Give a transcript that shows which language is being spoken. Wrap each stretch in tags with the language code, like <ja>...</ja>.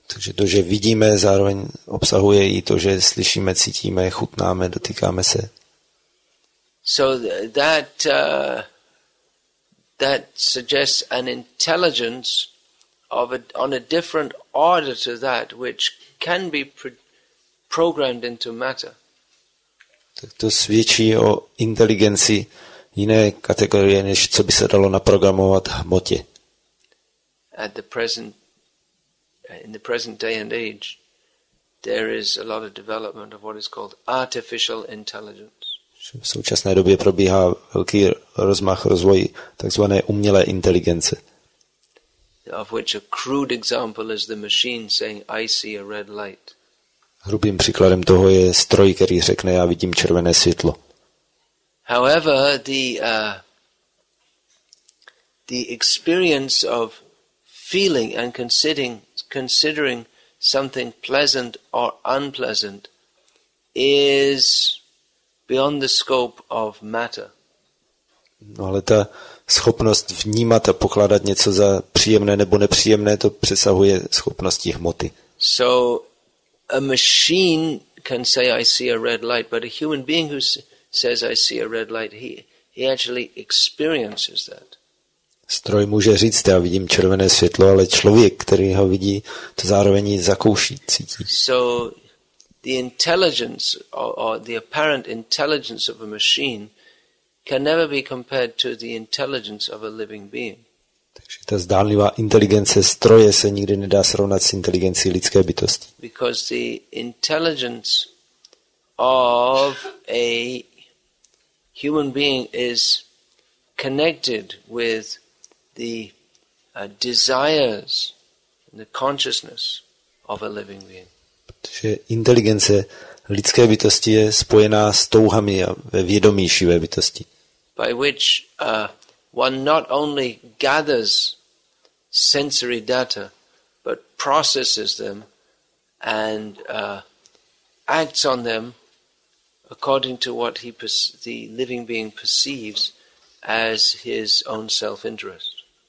<cs>Takže to, že vidíme, zároveň obsahuje i to, že slyšíme, cítíme, chutnáme, dotýkáme se.</cs> <en>So that that suggests an intelligence on a different order to that which can be programmed into matter.</en> <cs>Tak to svědčí o inteligenci jiné kategorie, než co by se dalo naprogramovat hmotě.</cs> <en>In the present day and age, there is a lot of development of what is called artificial intelligence.</en> <cs>V současné době probíhá velký rozmach rozvoji takzvané umělé inteligence.</cs> <en>Of which a crude example is the machine saying, "I see a red light."</en> <cs>Hrubým příkladem toho je stroj, který řekne, já vidím červené světlo.</cs> <en>However, the experience of feeling and considering something pleasant or unpleasant is beyond the scope of matter.</en> <cs>No, ale ta schopnost vnímat a pokládat něco za příjemné nebo nepříjemné, to přesahuje schopnosti hmoty.</cs> <en>So a machine can say I see a red light, but a human being who says I see a red light, he actually experiences that.</en> <cs>Stroj může říct, já vidím červené světlo, ale člověk, který ho vidí, to zároveň zakouší, cítí.</cs> <en>So the intelligence or the apparent intelligence of a machine can never be compared to the intelligence of a living being.</en> <cs>Takže ta zdánlivá inteligence stroje se nikdy nedá srovnat s inteligencí lidské bytosti.</cs> <en>Because the intelligence of a human being is connected with the desires and the consciousness of a living being.</en> <cs>Protože inteligence lidské bytosti je spojená s touhami a ve vědomí živé bytosti.</cs> <en>By which one not only gathers sensory data, but processes them and acts on them according to what the living being perceives as his own self-interest.</en>